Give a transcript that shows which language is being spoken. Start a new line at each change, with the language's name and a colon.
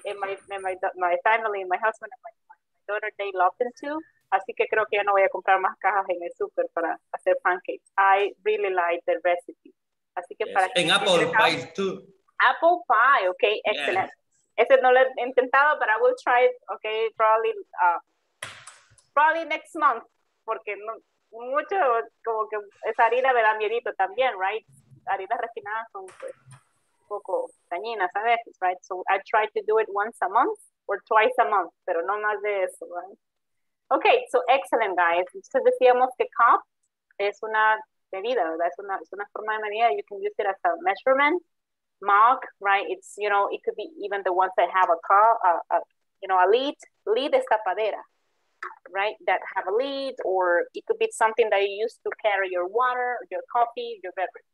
English: And my family, my husband, and my daughter, they love them too.
Spanish: Así que creo que ya no voy a comprar más cajas en el super para hacer pancakes.
English: I really like the recipe.
Spanish: Así que
English: yes.
Spanish: para
English: and apple pie too. Apple pie, okay, excellent. Yes.
Spanish: Ese no lo he intentado,
English: but I will try it, okay, probably next month,
Spanish: porque no, mucho, como que esa harina me da miedito también, right? Harinas refinadas son pues, un poco dañinas a veces, right?
English: So I try to do it once a month or twice a month,
Spanish: pero no más de eso,
English: right? Okay, so excellent, guys.
Spanish: Entonces decíamos que cup es una medida, ¿verdad? Es una forma de medida.
English: You can use it as a measurement. Mug, right? It's, you know, it could be even the ones that have a cup, you know, a lid.
Spanish: Lid es tapadera.
English: Right, that have a lid, or it could be something that you use to carry your water, your coffee, your beverage.